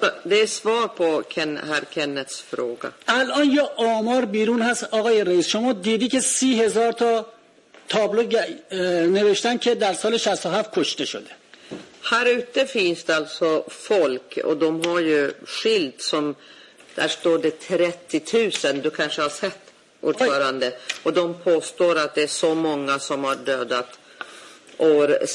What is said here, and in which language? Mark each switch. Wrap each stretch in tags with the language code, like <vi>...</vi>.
<sv>Det är svar på Ken, herr Kennets fråga.</sv> <fa>الان یه آمار بیرون هست آقای رئیس. شما دیدی که 30,000 تا تابلو نوشتن که در سال 67 کشته شده.</fa> <sv>Här ute finns det alltså folk och de har ju skilt som, där står det 30,000, du kanske har sett, ordförande. Oj. Och de påstår att det är så många som har dödat år</sv>